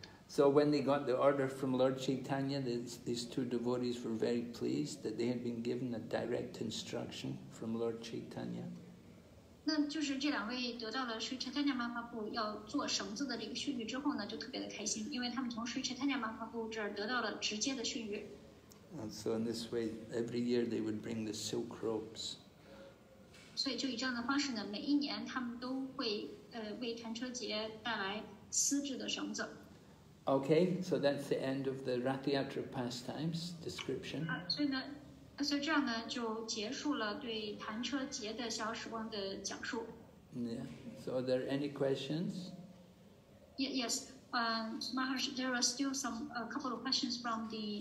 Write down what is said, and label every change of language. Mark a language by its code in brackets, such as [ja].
[en] So when they got the order from Lord Chaitanya, these two devotees were very pleased that they had been given a direct instruction from Lord Chaitanya. [zh] 那就是这两位得到了 Sri Chaitanya Mahaprabhu 要做绳子的这个训谕之后呢，就特别的开心，因为他们从 Sri Chaitanya Mahaprabhu 这儿得到了直接的训谕。 [en] And so in this way, every year they would bring the silk ropes. [zh] 所以就以这样的方式呢，每一年他们都会为弹车节带来丝质的绳子。 [en] Okay, so that's the end of the Rathyatra pastimes description. [zh] 所以呢。所以这样呢，就结束了对弹车节的小时光的讲述。 [en] Yeah. So, are there any questions? Yeah, yes. Maharaj, there are still a couple of questions from the